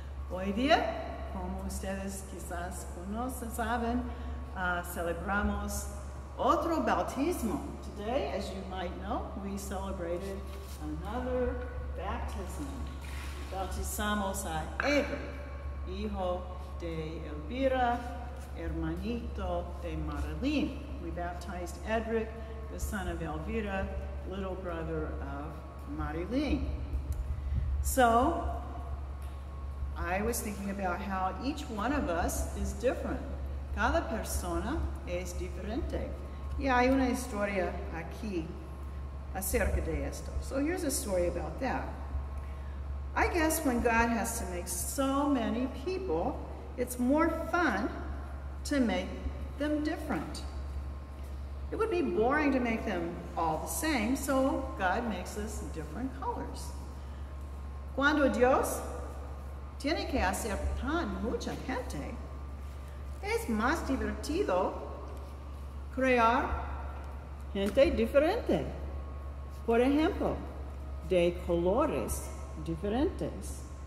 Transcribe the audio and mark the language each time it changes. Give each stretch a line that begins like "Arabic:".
Spanish: Hoy día, como ustedes quizás conocen, saben, celebramos otro bautismo.
English: Today, as you might know, we celebrated another baptism.
Spanish: Bautizamos a Eber, hijo de Elvira, hermanito de Marilyn.
English: We baptized Edric, the son of Elvira, little brother of Marilyn. So, I was thinking about how each one of us is different.
Spanish: Cada persona es diferente. Y hay una historia aquí acerca de esto.
English: So here's a story about that. I guess when God has to make so many people, it's more fun to make them different. It would be boring to make them all the same, so God makes us different colors.
Spanish: Cuando Dios tiene que hacer tan mucha gente, es más divertido crear gente diferente. Por ejemplo, de colores diferentes.